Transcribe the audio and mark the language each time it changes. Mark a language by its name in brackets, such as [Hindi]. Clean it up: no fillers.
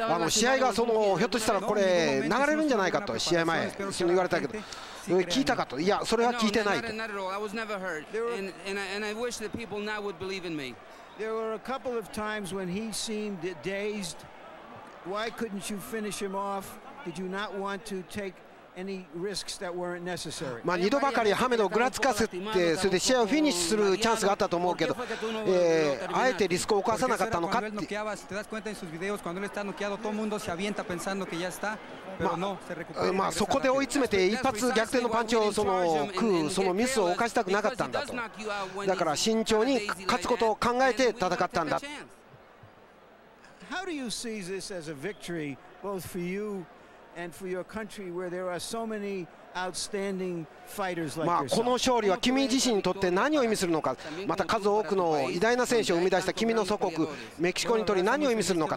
[Japanese] 試合がそのひょっとしたらこれ流れるんじゃないかと試合前に言われたけど、聞いたかと、いやそれは聞いてないと。 [English] There were a couple of times when he seemed dazed. Why couldn't you finish him off? Did you not want to takeany risks that weren't necessary。 [Japanese] まあ2度ばかりハメドをぐらつかせて、それで試合をフィニッシュするチャンスがあったと思うけど、あえてリスクを犯さなかったのかって。まあそこで追い詰めて一発逆転のパンチをその食う、そのミスを犯したくなかったんだと。だから慎重に勝つことを考えて戦ったんだ。 [English] How do you see this as a victory both for youand for your country where there are so many outstanding fighters like yourself。 [Japanese] この勝利は君自身にとって何を意味するのか、また数多くの偉大な選手を生み出した君の祖国メキシコにとり何を意味するのか。